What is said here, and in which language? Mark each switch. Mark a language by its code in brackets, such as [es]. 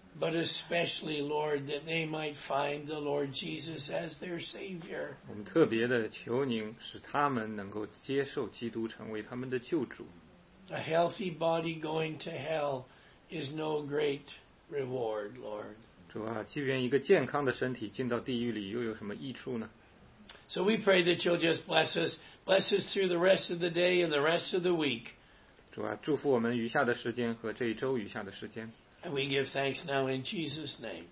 [en] But especially, Lord, that they might find the Lord Jesus as their Savior. [zh] 我们特别的求您使他们能够接受基督成为他们的救主。 [en] A healthy body going to hell is no great reward, Lord. [zh] 主啊，即便一个健康的身体进到地狱里，又有什么益处呢？ [en] So we pray that you'll just bless us through the rest of the day and the rest of the week. [zh] 主啊，祝福我们余下的时间和这一周余下的时间。 [en] And we give thanks now in Jesus' name.